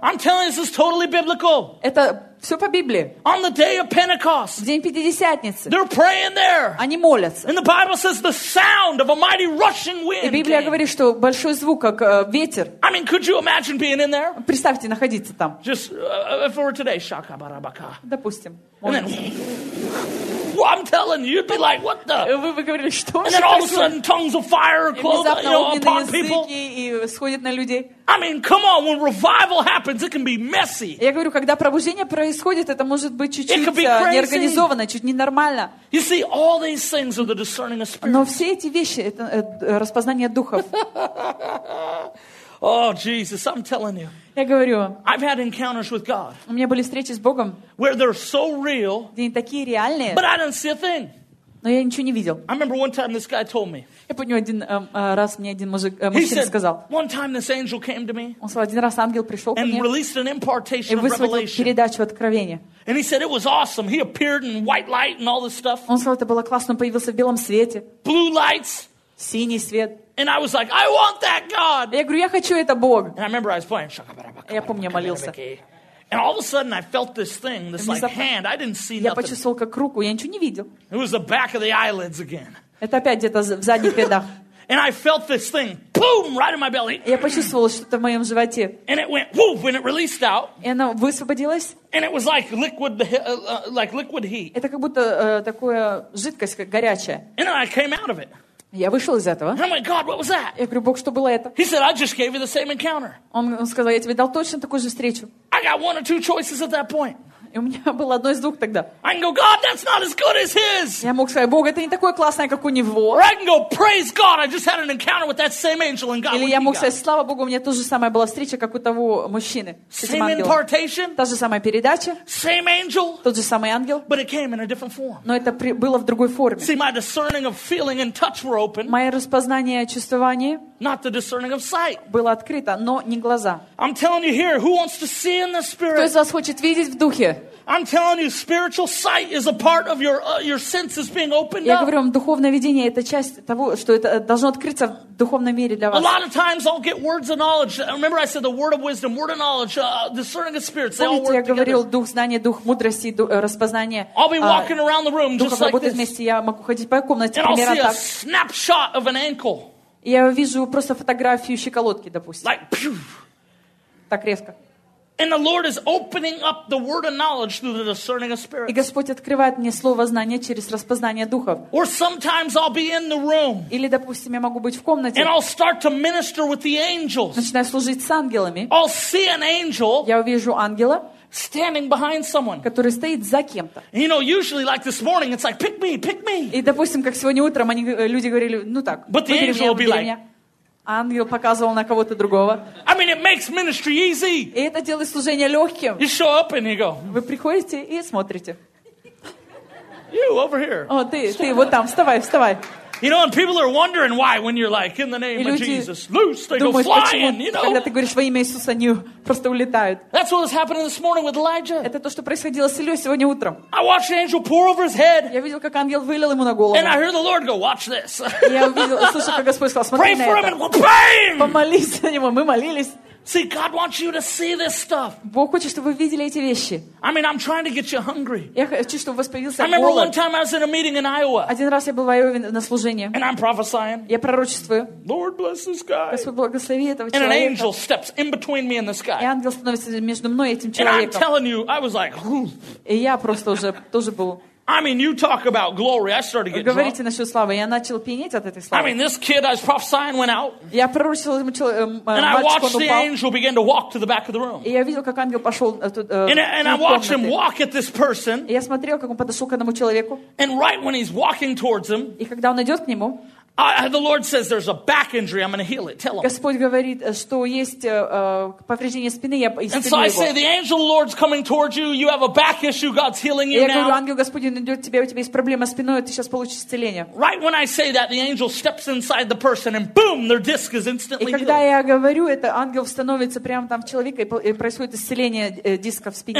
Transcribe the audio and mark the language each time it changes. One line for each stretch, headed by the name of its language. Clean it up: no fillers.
English: I'm telling you, this is totally biblical.
Russian: Это все по Библии.
English: On the day of Pentecost,
Russian: в день Пятидесятницы,
English: they're praying there.
Russian: Они молятся.
English: And the Bible says the sound of a mighty rushing wind.
Russian: И Библия говорит, что большой звук, как ветер.
English: I mean, could you imagine being in there?
Russian: Представьте находиться там.
English: Just for today, shaka barabaka.
Russian: Допустим.
English: Well, I'm telling you, you'd be like, what the?
Russian: Вы бы говорили, что?
English: And then all of a sudden, tongues of fire upon people.
Russian: И сходит на людей.
English: I mean, come on, when revival happens, it can be messy.
Russian: Я говорю, когда пробуждение происходит, это может быть чуть-чуть неорганизовано, чуть ненормально.
English: You see, all these things are the discerning of spirits.
Russian: Но все эти вещи — это распознание духов.
English: Oh, Jesus, I'm telling you.
Russian: Я говорю вам.
English: I've had encounters with God.
Russian: У меня были встречи с Богом.
English: Where they're so real.
Russian: Где они такие реальные.
English: But I didn't see a thing.
Russian: Но я ничего не видел.
English: I remember one time this guy told me.
Russian: Я помню, один раз мне один мужчина сказал.
English: He said, one time this angel came to me.
Russian: Он сказал, один раз ангел пришел ко мне.
English: And released an impartation of revelation.
Russian: И высвободил передачу откровения.
English: And he said, it was awesome. He appeared in white light and all this stuff.
Russian: Он сказал, это было классно, он появился в белом свете.
English: Blue lights.
Russian: Синий свет.
English: And I was like, I want that God.
Russian: Я говорю, я хочу это Бог.
English: And I remember I was playing.
Russian: Я помню, молился.
English: And all of a sudden, I felt this thing, this like hand. I didn't see nothing.
Russian: Я почувствовал как руку, я ничего не видел.
English: It was the back of the eyelids again.
Russian: Это опять где-то в задних рядах.
English: And I felt this thing, boom, right in my belly.
Russian: Я почувствовал что-то в моем животе.
English: And it went, whoop, when it released out.
Russian: И оно высвободилось.
English: And it was like liquid heat.
Russian: Это как будто такое жидкость, как горячая.
English: And then I came out of it.
Russian: Я вышел из этого.
English: And I'm like, God, what was that?
Russian: Я говорю, Бог, что было это?
English: He said, I just gave you the same encounter.
Russian: Он сказал, я тебе дал точно такую же встречу.
English: I got one or two choices at that point.
Russian: И у меня было одно из двух тогда.
English: I can go, God, that's not as good as his.
Russian: Я мог сказать, Бог, это не такое классное, как у него.
English: Or I can go, praise God, I just had an encounter with that same angel and God.
Russian: Или я мог сказать, слава Богу, у меня тоже самая была встреча, как у того мужчины.
English: Same impartation.
Russian: Та же самая передача.
English: Same angel.
Russian: Тот же самый ангел.
English: But it came in a different form.
Russian: Но это было в другой форме.
English: See, my discerning of feeling and touch were open.
Russian: Мое распознание чувствования.
English: Not the discerning of sight.
Russian: Было открыто, но не глаза.
English: I'm telling you here, who wants to see in the spirit?
Russian: Кто из вас хочет видеть в духе?
English: I'm telling you, spiritual sight is a part of your senses being opened up.
Russian: Я говорю вам, духовное видение это часть того, что это должно открыться в духовном мире для вас.
English: A lot of times I'll get words of knowledge. Remember, I said the word of wisdom, word of knowledge, discerning of spirits. They all work together.
Russian: Я говорил дух знания, дух мудрости, распознание.
English: I'll be walking around the room just like this.
Russian: Вместе я могу ходить по комнате, примерно так.
English: And I'll see a snapshot of an ankle.
Russian: Я вижу просто фотографию щиколотки, допустим.
English: Like,
Russian: так резко.
English: And the Lord is opening up the word of knowledge through the discerning of spirits.
Russian: И Господь открывает мне слово знания через распознание духов.
English: Or sometimes I'll be in the room.
Russian: Или, допустим, я могу быть в комнате.
English: And I'll start to minister with the angels.
Russian: Начинаю служить с ангелами.
English: I'll see an angel.
Russian: Я увижу ангела.
English: Standing behind someone.
Russian: Который стоит за кем-то.
English: You know, usually like this morning, it's like pick me, pick me.
Russian: И допустим, как сегодня утром, они люди говорили, ну так.
English: But the angel will be like.
Russian: Ангел показывал на кого-то другого.
English: I mean, it makes ministry easy.
Russian: И это делает служение легким.
English: You show up and you go.
Russian: Вы приходите и смотрите.
English: You over here.
Russian: О, ты вот там, вставай, вставай.
English: You know, and people are wondering why when you're like in the name of Jesus, loose, they
Russian: думают,
English: go flying.
Russian: Почему,
English: you know,
Russian: когда ты говоришь во имя Иисуса, они просто улетают.
English: That's what was happening this morning with Elijah.
Russian: Это то, что происходило с Ильей сегодня утром.
English: I watched an angel pour over his head.
Russian: Я видел, как ангел вылил ему на голову.
English: And I heard the Lord go, watch this.
Russian: Я увидел, слышал, как Господь сказал, смотри на это.
English: Pray for him and bang!
Russian: Помолись за него, мы молились.
English: See, God wants you to see this stuff.
Russian: Бог хочет, чтобы вы видели эти вещи.
English: I mean, I'm trying to get you hungry.
Russian: Я хочу, чтобы у вас появился голод.
English: I remember one time I was in a meeting in Iowa.
Russian: Один раз я был в Айове на служении.
English: And I'm prophesying.
Russian: Я пророчествую.
English: Lord bless this guy.
Russian: Господь благослови этого человека.
English: And an angel steps in between me and this guy.
Russian: И ангел становится между мной и этим человеком.
English: And I'm telling you, I was like,
Russian: и я просто уже тоже был.
English: I mean, you talk about glory. I started to get
Russian: говорите насчет славы. Я начал пьянеть от этой славы.
English: I mean, this kid I was prophesying went out.
Russian: Я пророчил ему
English: And I watched the angel begin to walk to the back of the room.
Russian: И я видел, как ангел пошел тут.
English: And I watched him walk at this person.
Russian: Я смотрел, как он подошел к одному человеку.
English: And right when he's walking towards him.
Russian: И когда он идет к нему.
English: The Lord says there's a back injury. I'm going to heal it. Tell him.
Russian: Господь говорит, что есть повреждение спины. Я исцелю его.
English: And so I say the angel of the Lord's coming towards you. You have a back issue. God's healing you now.
Russian: Я говорю, ангел Господень идет к тебе, у тебя есть проблема с спиной, ты сейчас получишь исцеление.
English: Right when I say that, the angel steps inside the person, and boom, their disc is instantly healed.
Russian: И когда я говорю это, ангел становится прямо там в человеке и происходит исцеление диска в спине.